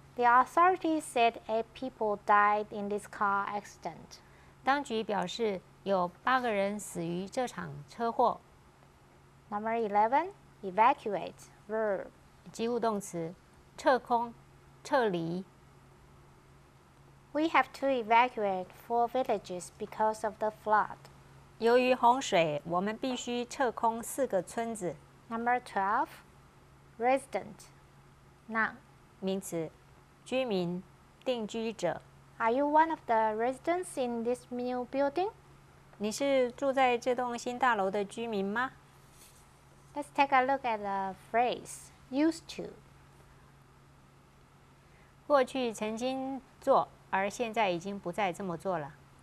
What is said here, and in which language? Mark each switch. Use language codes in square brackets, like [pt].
[en] The authorities said 8 people died in this car accident. [zh] 当局表示有八个人死于这场车祸。 [en] Number 11, evacuate, verb. [zh] 及物动词，撤空，撤离。 [en] We have to evacuate 4 villages because of the flood. [zh] 由于洪水，我们必须撤空四个村子。 [en] Number 12, resident, noun. [zh] 名词，居民、定居者。 [en] Are you one of the residents in this new building? [zh] 你是住在这栋新大楼的居民吗？ [en] Let's take a look at the phrase used to. [zh] 过去曾经做，而现在已经不再这么做了。